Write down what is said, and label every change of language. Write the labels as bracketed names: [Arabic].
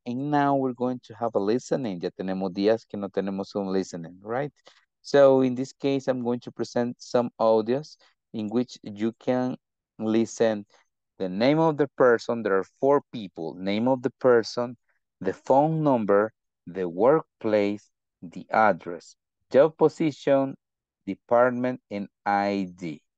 [English] And now we're going to have a listening. [Spanish] Ya tenemos días que no tenemos un listening, right? [English] So in this case, I'm going to present some audios in which you can listen the name of the person. There are four people, name of the person, the phone number, the workplace, the address, job position, department, and ID.